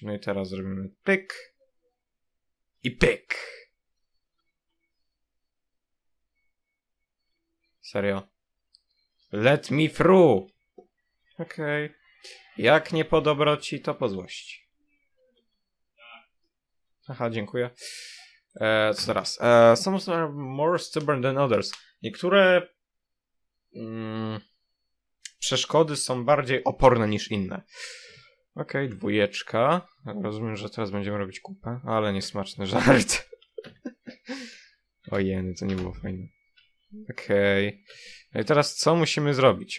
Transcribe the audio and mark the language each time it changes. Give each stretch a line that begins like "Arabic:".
Polish: No i teraz zrobimy pyk. I pyk. Serio.
English: Let me through.
Polish: Okej. Jak nie po dobroci, to po złości. Aha, dziękuję. Co teraz?
English: Some are more stubborn than others.
Polish: Niektóre... przeszkody są bardziej oporne niż inne. Okej, dwójeczka. Rozumiem, że teraz będziemy robić kupę, ale niesmaczny żart. Ojej, to nie było fajne. Okej. No i teraz co musimy zrobić?